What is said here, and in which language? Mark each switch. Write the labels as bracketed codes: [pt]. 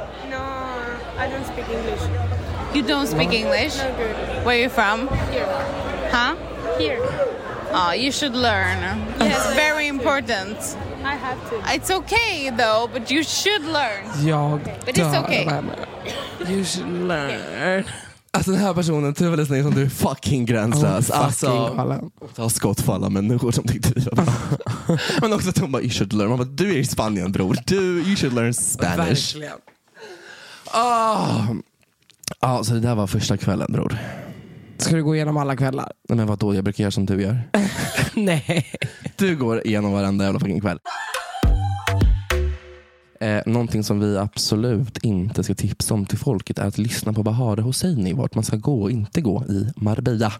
[en] No, I don't speak English. You don't speak English? No, good. Where are you from? Here. Huh? Here. Oh, you should learn. Yes, it's very important. I have to. It's okay though, but you should learn. [sv] Jag dör. [en] But it's okay. You should learn. [sv] Alltså den här personen, tyvärr är som du är fucking gränslös. Alltså, ta skott för alla människor som tyckte det var bra. Men också att hon bara, [en] you should learn. [sv] Man bara, du är i Spanien, bror. Du, [en] you should learn Spanish. [sv] Verkligen. Ja, så det där var första kvällen, bror. Ska du gå igenom alla kvällar? Nej, men vadå? Jag brukar göra som du gör. Nej. Du går igenom varenda jävla fucking kväll. Någonting som vi absolut inte ska tipsa om till folket är att lyssna på Bahare Hosseini, vart man ska gå och inte gå i Marbella.